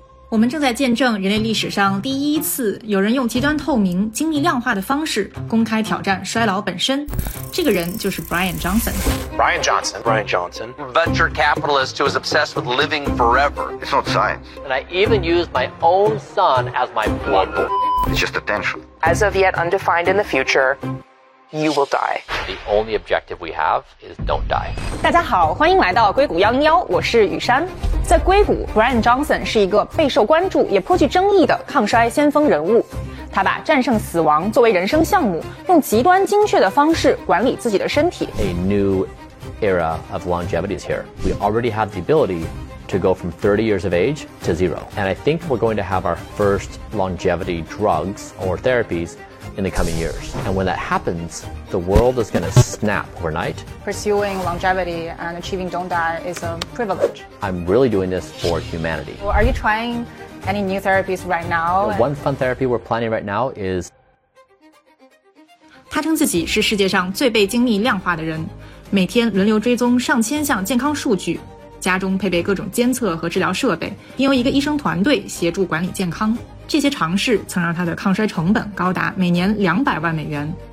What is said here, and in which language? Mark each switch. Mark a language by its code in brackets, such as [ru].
[zh] 我们正在见证人类历史上第一次有人用极端透明、精密量化的方式公开挑战衰老本身。这个人就是 Brian Johnson。 [en] Brian Johnson。 Brian Johnson。 Venture capitalist who is obsessed with living forever. It's not science. And I even used my own son as my blood. It's just attention. As of yet undefined in the future. You will die. The only objective we have is don't die. [zh] 大家好，欢迎来到硅谷111，我是雨山。在硅谷 ，Brian Johnson 是一个备受关注也颇具争议的抗衰先锋人物。他把战胜死亡作为人生项目，用极端精确的方式管理自己的身体。 [en] A new era of longevity is here. We already have the ability to go from 30 years of age to zero. And I think we're going to have our first longevity drugs or therapies. In the coming years. And when that happens, the world is going to snap overnight. Pursuing longevity and achieving don't die is a privilege. I'm really doing this for humanity. Well, are you trying any new therapies right now? Well, one fun therapy we're planning right now is... [zh] 他称自己是世界上最被精密量化的人，每天轮流追踪上千项健康数据，家中配备各种监测和治疗设备，并由一个医生团队协助管理健康。这些尝试曾让他的抗衰成本高达每年$2,000,000。